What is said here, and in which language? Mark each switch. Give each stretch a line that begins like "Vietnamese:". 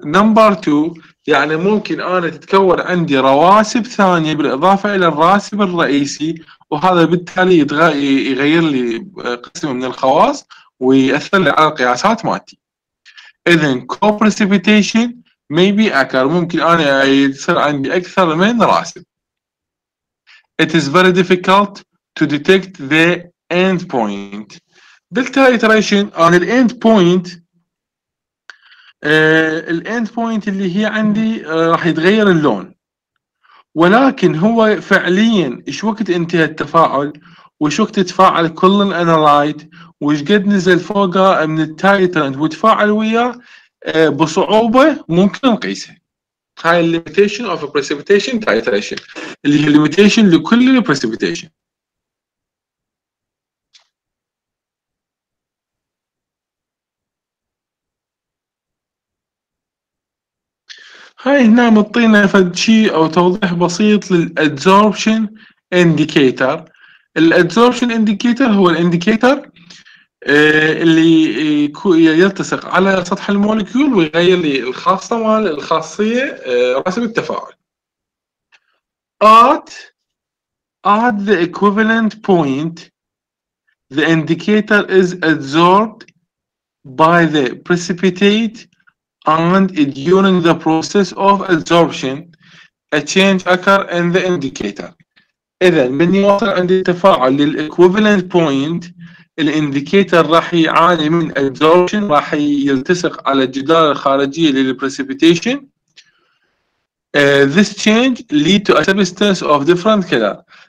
English: Number two,
Arabic: يعني ممكن أنا تتكون عندي رواسب ثانية بالإضافة إلى الراسب الرئيسي، وهذا بالتالي يغير لي قسم من الخواص ويأثر لي على القياسات مالتي. إذن
English: co-precipitation may be occur،
Arabic: ممكن أنا يصير عندي أكثر من راسب.
English: It is very difficult to detect the end point.
Arabic: بالتايتريشن
English: on the end point،
Arabic: الاند بوينت اللي هي عندي راح يتغير اللون، ولكن هو فعليا ايش وقت انتهى التفاعل وايش وقت تفاعل كل الانالايت وايش قد نزل فوقه من التايتريشن وتفاعل وياه بصعوبة ممكن نقيسه.
English: هاي limitation of a precipitation titration
Arabic: اللي هي
English: limitation لكل precipitation.
Arabic: هاي هنا مطينا فد شيء او توضيح بسيط للadsorption indicator. الadsorption indicator هو الindicator اللي يلتصق على سطح المولكيول ويغير لي الخاصه مال الخاصيه راسب التفاعل.
English: At the equivalent point the indicator is adsorbed by the precipitate and during the process of adsorption a change occur in the indicator.
Arabic: اذا من يوصل عند التفاعل للequivalent point الانديكيتر راح يعاني من adsorption، راح يلتصق على الجدار الخارجي للprecipitation.
English: This change lead to a substance of different color.